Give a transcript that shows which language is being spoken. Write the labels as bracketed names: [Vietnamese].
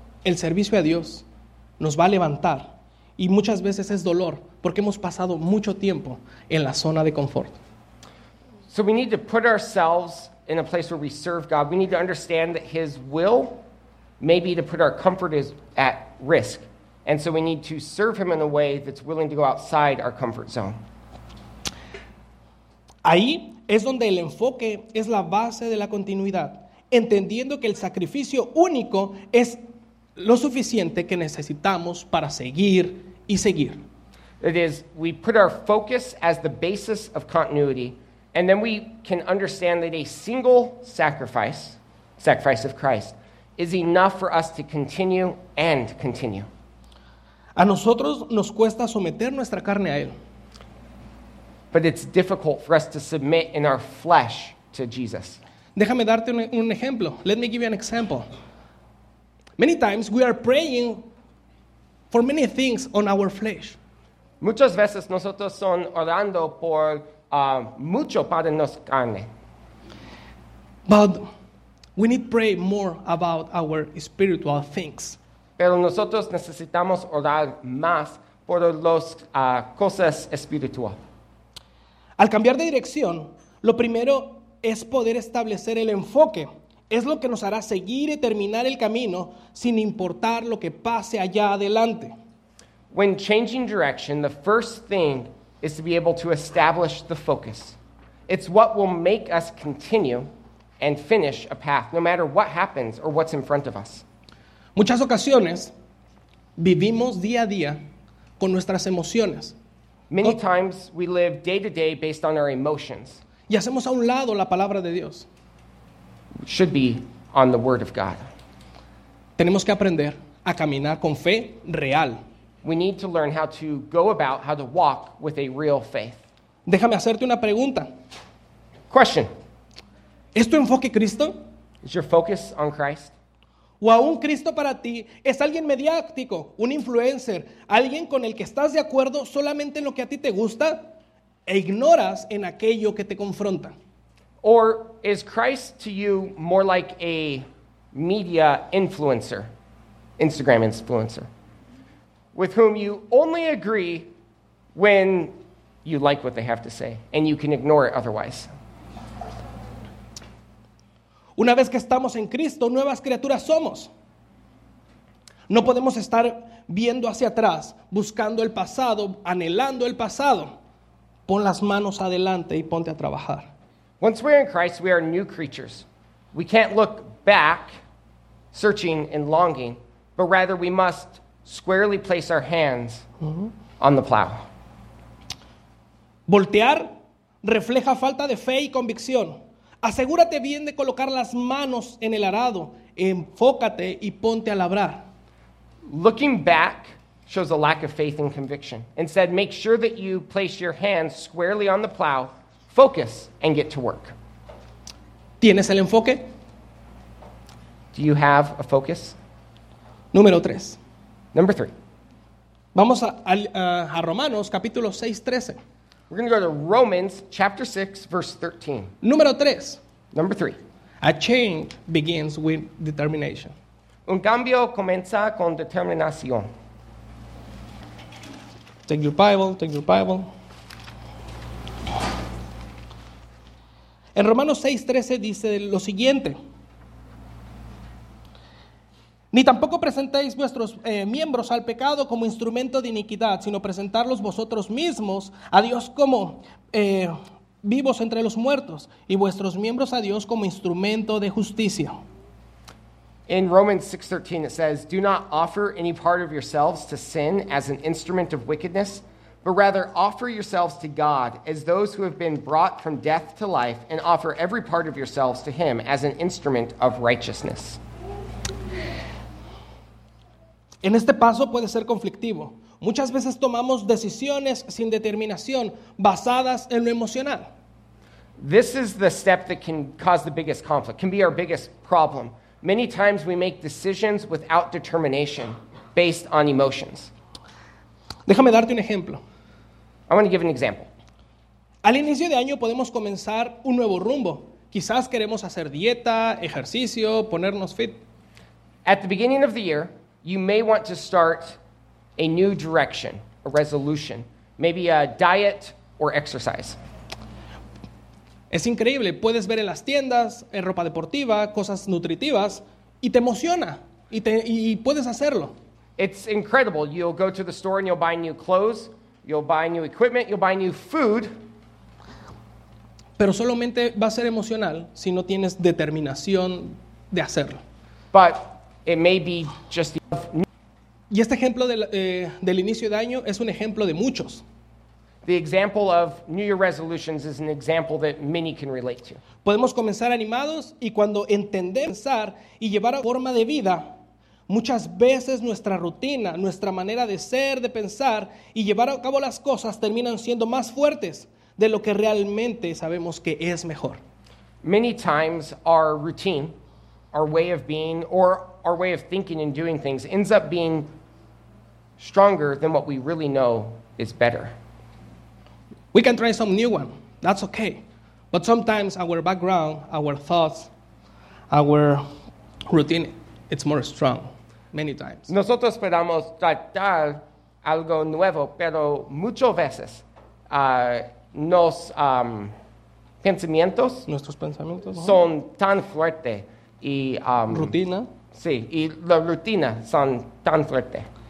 [Spanish] El servicio a Dios nos va a levantar y muchas veces es dolor porque hemos pasado mucho tiempo en la zona de confort. [English] So we need to put ourselves in a place where we serve God. We need to understand that His will may be to put our comfort is at risk. And so we need to serve Him in a way that's willing to go outside our comfort zone. [Spanish] Ahí es donde el enfoque es la base de la continuidad. Entendiendo que el sacrificio único es lo suficiente que necesitamos para seguir y seguir. [English] It is, we put our focus as the basis of continuity, and then we can understand that a single sacrifice of Christ, is enough for us to continue and continue. [Spanish] A nosotros nos cuesta someter nuestra carne a él. [English] But it's difficult for us to submit in our flesh to Jesus. [Spanish] Déjame darte un ejemplo. [English] Let me give you an example. Many times we are praying for many things on our flesh. [Spanish] Muchas veces nosotros son orando por mucho para nuestra carne. [English] But we need to pray more about our spiritual things. [Spanish] Pero nosotros necesitamos orar más por las cosas espirituales. Al cambiar de dirección, lo primero es poder establecer el enfoque. Es lo que nos hará seguir y terminar el camino sin importar lo que pase allá adelante. [English] When changing direction, the first thing is to be able to establish the focus. It's what will make us continue and finish a path, no matter what happens or what's in front of us. [Spanish] Muchas ocasiones vivimos día a día con nuestras emociones. [English] Many times we live day to day based on our emotions. [Spanish] Y hacemos a un lado la palabra de Dios. [English] Should be on the word of God. [Spanish] Tenemos que aprender a caminar con fe real. [English] We need to learn how to go about, how to walk with a real faith. [Spanish] Déjame hacerte una pregunta. [English] Question. [Spanish] ¿Es tu enfoque Cristo? [English] Is your focus on Christ? [Spanish] ¿O aún Cristo para ti es alguien mediático, un influencer, alguien con el que estás de acuerdo solamente en lo que a ti te gusta e ignoras en aquello que te confronta? [English] Or is Christ to you more like a media influencer, Instagram influencer, with whom you only agree when you like what they have to say and you can ignore it otherwise? [Spanish] Una vez que estamos en Cristo, nuevas criaturas somos. No podemos estar viendo hacia atrás, buscando el pasado, anhelando el pasado. Pon las manos adelante y ponte a trabajar. [English] Once we're in Christ, we are new creatures. We can't look back, searching and longing, but rather we must squarely place our hands on the plow. [Spanish] Voltear refleja falta de fe y convicción. Asegúrate bien de colocar las manos en el arado. Enfócate y ponte a labrar. [English] Looking back shows a lack of faith and conviction. Instead, make sure that you place your hands squarely on the plow. Focus and get to work. [Spanish] ¿Tienes el enfoque? [English] Do you have a focus? [Spanish] Número 3. [English] Number 3. [Spanish] Vamos a Romanos capítulo 6, 13. [English] We're going to go to Romans chapter 6, verse 13. [Spanish] Número 3. [English] Number 3. A change begins with determination. [Spanish] Un cambio comienza con determinación. [English] Take your Bible, take your Bible. [Spanish] En Romanos 6, 13 dice lo siguiente. Ni tampoco presentéis vuestros miembros al pecado como instrumento de iniquidad, sino presentarlos vosotros mismos a Dios como vivos entre los muertos, y vuestros miembros a Dios como instrumento de justicia. [English] In Romans 6:13 it says, "Do not offer any part of yourselves to sin as an instrument of wickedness, but rather offer yourselves to God as those who have been brought from death to life, and offer every part of yourselves to him as an instrument of righteousness." [Spanish] En este paso puede ser conflictivo. Muchas veces tomamos decisiones sin determinación, basadas en lo emocional. [English] This is the step that can cause the biggest conflict, can be our biggest problem. Many times we make decisions without determination, based on emotions. [Spanish] Déjame darte un ejemplo. [English] I want to give an example. [Spanish] Al inicio de año podemos comenzar un nuevo rumbo. Quizás queremos hacer dieta, ejercicio, ponernos fit. [English] At the beginning of the year, you may want to start a new direction, a resolution, maybe a diet or exercise. [Spanish] Es increíble. Puedes ver en las tiendas, en ropa deportiva, cosas nutritivas, y te emociona, y puedes hacerlo. [English] It's incredible. You'll go to the store and you'll buy new clothes, you'll buy new equipment, you'll buy new food. [Spanish] Pero solamente va a ser emocional si no tienes determinación de hacerlo. [English] But it may be just... [Spanish] Y este ejemplo del inicio de año es un ejemplo de muchos. [English] The example of New Year resolutions is an example that many can relate to. [Spanish] Podemos comenzar animados y cuando entendemos pensar y llevar a forma de vida, muchas veces nuestra rutina, nuestra manera de ser, de pensar y llevar a cabo las cosas terminan siendo más fuertes de lo que realmente sabemos que es mejor. [English] Many times our routine, our way of being, or our way of thinking and doing things ends up being stronger than what we really know is better. We can try some new one. That's okay. But sometimes our background, our thoughts, our routine, it's more strong many times. [Spanish] Nosotros podemos tratar algo nuevo, pero muchas veces nuestros pensamientos son tan fuertes y rutina. Sí, y la rutina son tan fuertes.